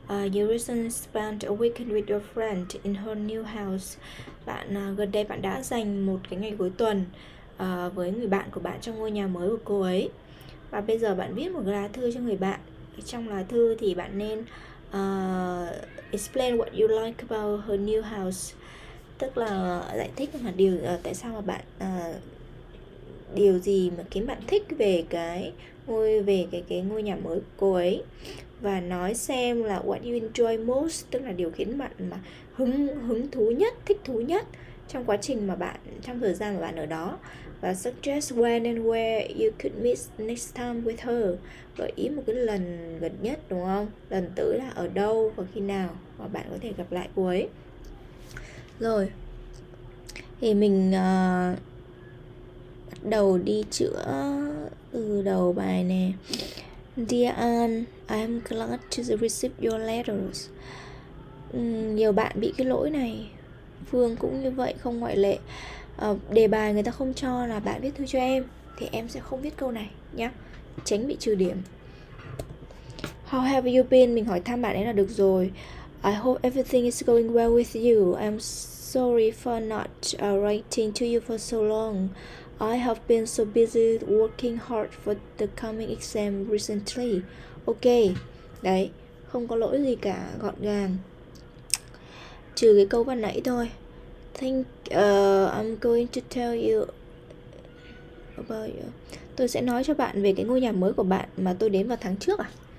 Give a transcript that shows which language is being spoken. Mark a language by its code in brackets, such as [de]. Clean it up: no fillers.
[en] You recently spent a weekend with your friend in her new house. [vi] Bạn gần đây bạn đã dành một cái ngày cuối tuần với người bạn của bạn trong ngôi nhà mới của cô ấy. Và bây giờ bạn viết một lá thư cho người bạn. Trong lá thư thì bạn nên [en] explain what you like about her new house. [vi] Tức là giải thích là điều tại sao mà bạn điều gì mà khiến bạn thích về cái ngôi nhà mới của cô ấy, và nói xem là [en] what you enjoy most, [vi] tức là điều khiến bạn mà hứng hứng thú nhất, thích thú nhất trong quá trình mà bạn trong thời gian mà bạn ở đó, và [en] suggest when and where you could meet next time with her, [vi] gợi ý một cái lần gần nhất đúng không, lần tới là ở đâu và khi nào mà bạn có thể gặp lại cô ấy. Rồi thì mình bắt đầu đi chữa từ đầu bài nè. [en] Dear Anne, I'm glad to receive your letters. [vi] Nhiều bạn bị cái lỗi này, Phương cũng như vậy, không ngoại lệ. Đề bài người ta không cho là bạn viết thư cho em, thì em sẽ không viết câu này nhé, tránh bị trừ điểm. [en] How have you been? [vi] Mình hỏi thăm bạn ấy là được rồi. [en] I hope everything is going well with you. I'm sorry for not writing to you for so long. I have been so busy working hard for the coming exam recently. [vi] Ok, đấy, không có lỗi gì cả, gọn gàng. Trừ cái câu ban nãy thôi. [en] I'm going to tell you about you. [vi] Tôi sẽ nói cho bạn về cái ngôi nhà mới của bạn mà tôi đến vào tháng trước à?